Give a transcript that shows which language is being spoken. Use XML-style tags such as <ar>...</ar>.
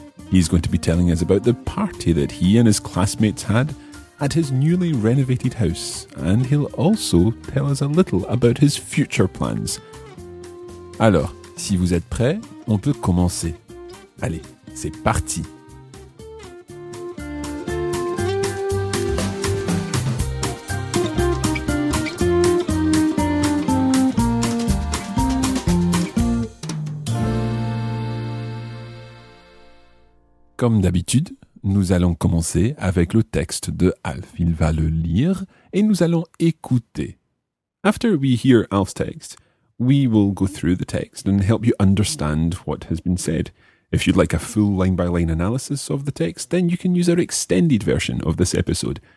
<en>He's going to be telling us about the party that he and his classmates had at his newly renovated house, and he'll also tell us a little about his future plans.</en> <fr>Alors, si vous êtes prêts, on peut commencer. Allez, c'est parti! Comme d'habitude, nous allons commencer avec le texte de Alf. Il va le lire et nous allons écouter.</fr> <en>After we hear Alf's text, we will go through the text and help you understand what has been said. If you'd like a full line-by-line analysis of the text, then you can use our extended version of this episode.</en>